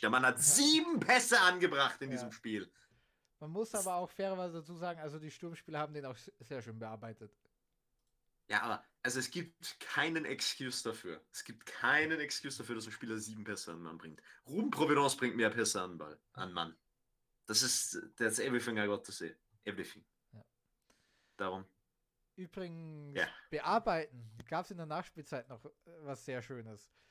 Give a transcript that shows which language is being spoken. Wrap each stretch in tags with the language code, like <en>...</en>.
<de>Der Mann hat 7 Pässe angebracht in diesem Ja. Spiel. Man muss aber auch fairerweise dazu sagen, also die Sturmspieler haben den auch sehr schön bearbeitet. Ja, aber also es gibt keinen Excuse dafür. Es gibt keinen Excuse dafür, dass ein Spieler 7 Pässe an Mann bringt. Ruben Provenance bringt mehr Pässe an Ball, an Mann.</de> <en>That's everything I got to say. Everything.</en> <de>Darum. Übrigens, bearbeiten gab es in der Nachspielzeit noch was sehr Schönes.</de>